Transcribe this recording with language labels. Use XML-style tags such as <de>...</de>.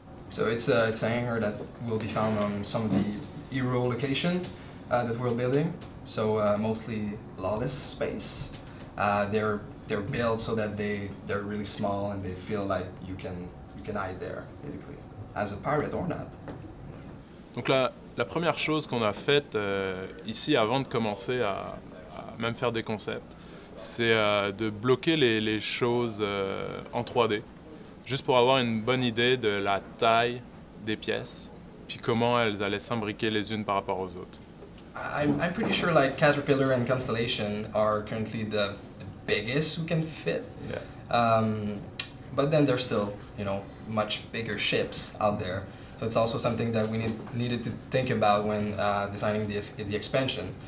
<en>So it's a hangar that will be found on some of the Eero location that we're building. So mostly lawless space. They're built so that they're really small and they feel like you can hide there, basically, as a pirate or not.</en> <fr>Donc la première chose qu'on a faite ici avant de commencer à même faire des concepts, c'est de bloquer les choses en 3D. Juste pour avoir une bonne idée de la taille des pièces, puis comment elles allaient s'imbriquer les unes par rapport aux autres.</fr> <en>I'm pretty sure like Caterpillar and Constellation are currently the biggest who can fit. Yeah. But then there's still, you know, much bigger ships out there. So it's also something that we needed to think about when designing the expansion.</en>